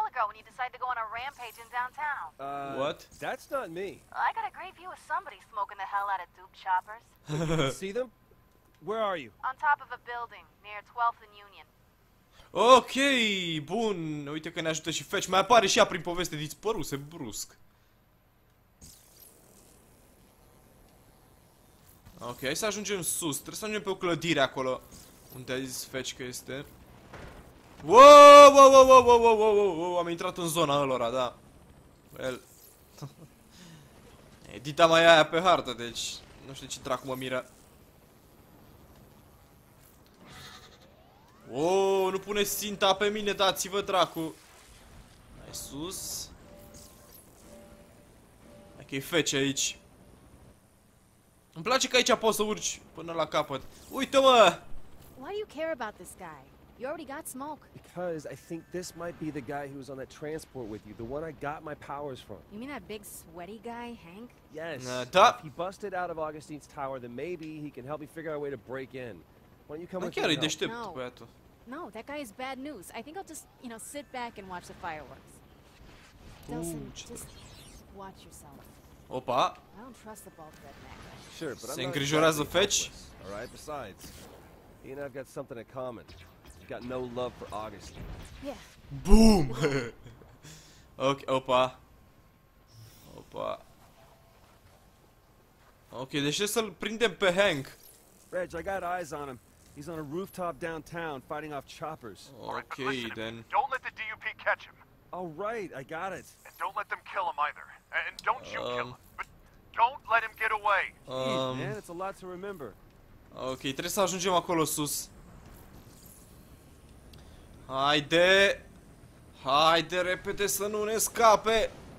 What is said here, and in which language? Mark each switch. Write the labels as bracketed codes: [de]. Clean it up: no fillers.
[en] When you decide to go on a rampage in downtown. What? That's not me. I got a great view of somebody smoking the hell out of Duke Choppers. See them? Where are you? On top of a building near 12th and Union. [ro] Ok, bun. Uite că ne ajută și Fetch. Mai apare și ea prin poveste. Dispăruse brusc. Ok, hai să ajungem sus. Trebuie să ajungem pe o clădire acolo. Unde a zis Fetch că este... Wow, am intrat în zona ălora, da. Well. Edita mai aia pe hartă, deci nu știu ce dracu mă miră. Wow, nu pune sinta pe mine, dați-vă dracu. Mai sus. Hai că-i Fetch aici. Îmi place că aici poți să urci până la capăt. Uite-mă! [en] Why do you care about this guy? You already got smoke. Because I think this might be the guy who was on that transport with you, the one I got my powers from. You mean that big sweaty guy, Hank? Yes. Duh. He busted out of Augustine's tower, then maybe he can help me figure out a way to break in. Why don't you come with me? [ro] Deștept, [en] no. [ro] Băiatul. [en] No, that guy is bad news. I think I'll just, you know, sit back and watch the fireworks. Delson, just watch yourself. [ro] Opa. [en] I don't trust the bulkhead man. Sure, but [ro] se îngrijorează Fetch. [en] All right, besides, he and I've got something in common. Got no love for August. Yeah. Boom. Ok, opa. Opa. [ro] Ok, deci să-l prindem pe Hank. [en] Reg, I got eyes on him. He's on a rooftop downtown fighting off choppers. Ok, right, then. Don't let the DUP catch him. All right, I got it. And don't let them kill him either. And don't you kill him. But don't let him get away. Man, it's a lot to remember. [ro] Ok, trebuie să ajungem acolo sus. Haide! Haide repede să nu ne scape!